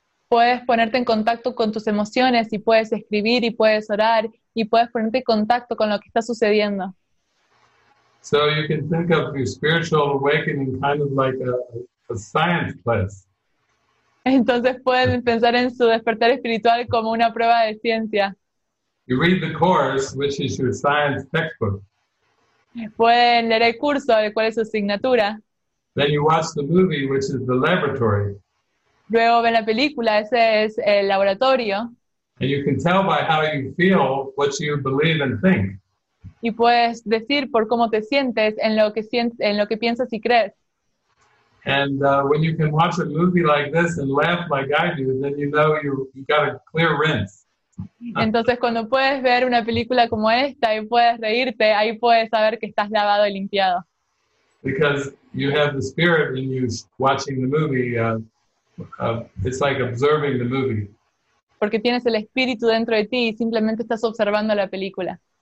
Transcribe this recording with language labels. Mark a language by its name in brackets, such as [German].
[Spanish] Puedes ponerte en contacto con tus emociones y puedes escribir y puedes orar y puedes ponerte en contacto con lo que está sucediendo. [English] So you can think of your spiritual awakening kind of like a science class. [Spanish] Entonces pueden pensar en su despertar espiritual como una prueba de ciencia. [English] You read the course, which is your science textbook. [Spanish] Pueden leer el curso, el cual es su asignatura. [English] Then you watch the movie, which is the laboratory. [Spanish] Luego ven la película, ese es el laboratorio. [English] And you can tell by how you feel what you believe and think. [Spanish] Y puedes decir por cómo te sientes en lo que piensas y crees. [English] And when you can watch a movie like this and laugh like I do, then you know you got a clear rinse. [Spanish] Entonces cuando puedes ver una película como esta y puedes reírte, ahí puedes saber que estás lavado y limpiado. [English] Because you have the spirit in you watching the movie. It's like observing the movie. [Spanish] Porque tienes el espíritu dentro de ti y simplemente estás observando la película.